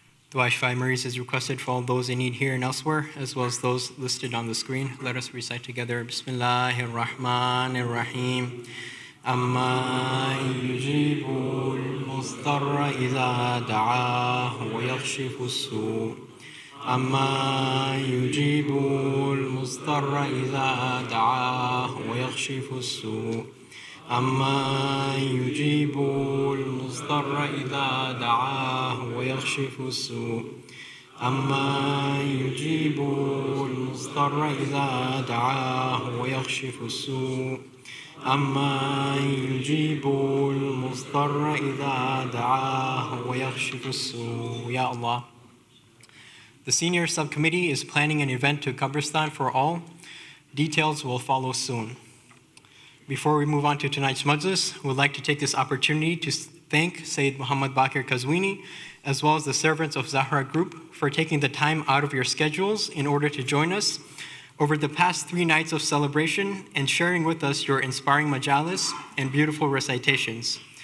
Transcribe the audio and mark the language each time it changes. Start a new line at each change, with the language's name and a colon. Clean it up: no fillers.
English: Dua Shifa-e Mariz is requested for all those in need here and elsewhere, as well as those listed on the screen. Let us recite together. Bismillahir Rahmanir Rahim.
Arabic: أما يجيب المضطر إذا دعاه ويكشف السوء، أما يجيب المضطر إذا دعاه ويكشف السوء، أما يجيب المضطر إذا دعاه ويكشف السوء، أما يجيب المضطر إذا دعاه ويكشف السوء، أما يجيب المضطر إذا دعاه ويكشف السوء. يا الله.
English: The senior subcommittee is planning an event to Kabristan for all. Details will follow soon. Before we move on to tonight's majlis, we'd like to take this opportunity to thank Sayyid Muhammad Baqer Qazwini, as well as the servants of Zahra Group, for taking the time out of your schedules in order to join us over the past three nights of celebration and sharing with us your inspiring majalis and beautiful recitations.